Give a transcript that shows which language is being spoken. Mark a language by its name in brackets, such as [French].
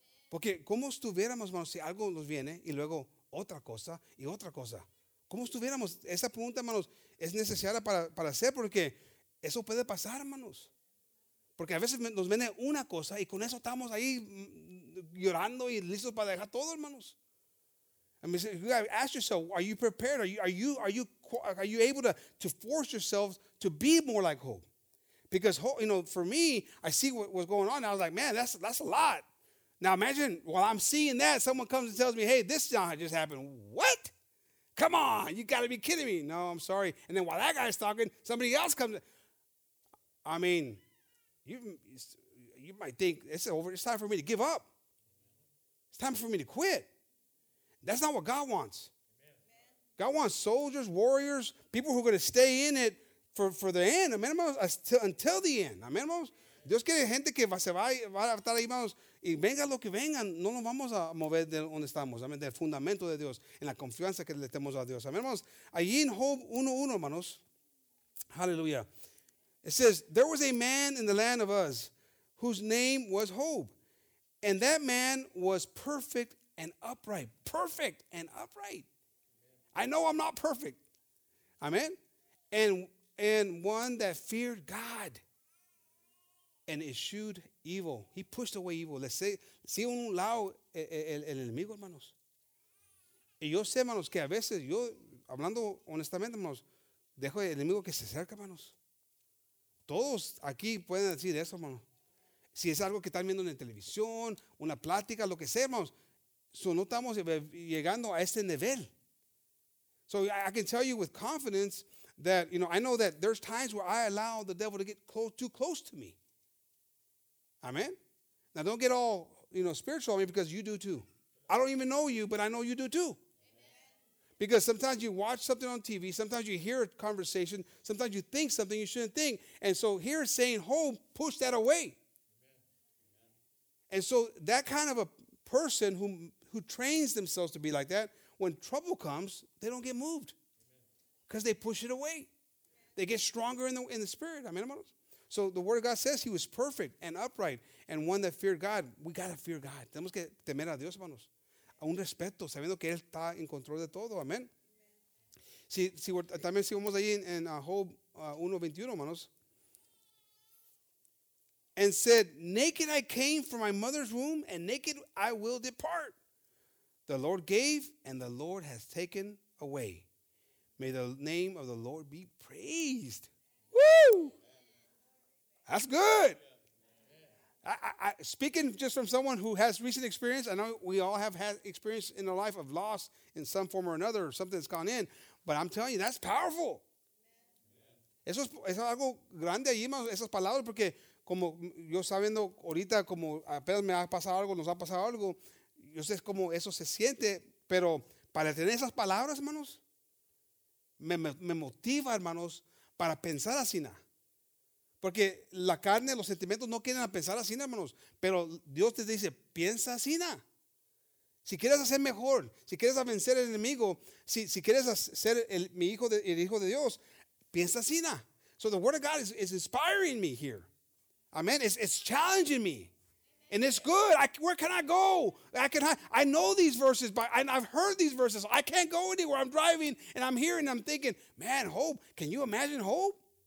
[Spanish] Porque, ¿cómo estuviéramos, hermanos, si algo nos viene y luego otra cosa y otra cosa? ¿Cómo estuviéramos? Esa pregunta, hermanos, es necesaria para hacer, porque eso puede pasar, hermanos. Porque a veces nos viene una cosa y con eso estamos ahí llorando y listos para dejar todo, hermanos. [English] I mean, you gotta ask yourself, are you prepared? Are you able to force yourself to be more like Hope? Because Hope, you know, for me, I see what was going on. And I was like, man, that's a lot. Now imagine while I'm seeing that, someone comes and tells me, hey, this just happened. What? Come on, you gotta be kidding me. No, I'm sorry. And then while that guy's talking, somebody else comes. I mean, you might think it's time for me to give up. It's time for me to quit. That's not what God wants. Amen. God wants soldiers, warriors, people who are going to stay in it for the end. Amen, hermanos? Until the end. Amen, hermanos? [Spanish] Dios quiere gente que va a estar ahí, hermanos. Y venga lo que venga, no nos vamos a mover de donde estamos. Amen, del fundamento de Dios, en la confianza que le tenemos a Dios. Amen, hermanos? Allí en Job 1:1, hermanos. Hallelujah. [English] It says, there was a man in the land of Uz whose name was Job. And that man was perfect and upright. Perfect and upright. I know I'm not perfect. Amen. And one that feared God and eschewed evil. He pushed away evil. [Spanish] Le sigue un lado el enemigo, hermanos. Y yo sé, hermanos, que a veces yo, hablando honestamente, hermanos, dejo el enemigo que se acerca, hermanos. Todos aquí pueden decir eso, hermano. Si es algo que están viendo en televisión, una plática, lo que sea, hermanos. So no estamos llegando a este nivel. [English] So I can tell you with confidence that, you know, I know that there's times where I allow the devil to get too close to me. Amen? Now don't get all, you know, spiritual on me, because you do too. I don't even know you, but I know you do too. Because sometimes you watch something on TV, sometimes you hear a conversation, sometimes you think something you shouldn't think. And so here it's saying, Hope, push that away. Amen. And so that kind of a person who trains themselves to be like that, when trouble comes, they don't get moved. Because they push it away. They get stronger in the spirit. I mean, so the word of God says he was perfect and upright and one that feared God. We got to fear God. [Spanish] Tenemos que temer a Dios, hermanos. A un respeto, sabiendo que él está en control de todo. Amén. Si también si vamos ahí en Job 1:21, hermanos. [English] And said, naked I came from my mother's womb, and naked I will depart. The Lord gave, and the Lord has taken away. May the name of the Lord be praised. Woo! That's good. I speaking just from someone who has recent experience, I know we all have had experience in our life of loss in some form or another, or something that's gone in, but I'm telling you, that's powerful. [Spanish] Eso es algo grande ahí, esas palabras, porque como yo sabiendo ahorita, como apenas me ha pasado algo, nos ha pasado algo, yo sé cómo eso se siente, pero para tener esas palabras, hermanos, me motiva, hermanos, para pensar así, ¿no? Porque la carne, los sentimientos no quieren pensar así, ¿no, hermanos? Pero Dios te dice, piensa así, ¿no? Si quieres hacer mejor, si quieres vencer al enemigo, si quieres ser el hijo de Dios, piensa así, ¿no? [English] So the word of God is inspiring me here. Amen. It's challenging me. And it's good. Where can I go? I know these verses, but I've heard these verses. I can't go anywhere. I'm driving and I'm here and I'm thinking, man, hope. Can you imagine hope?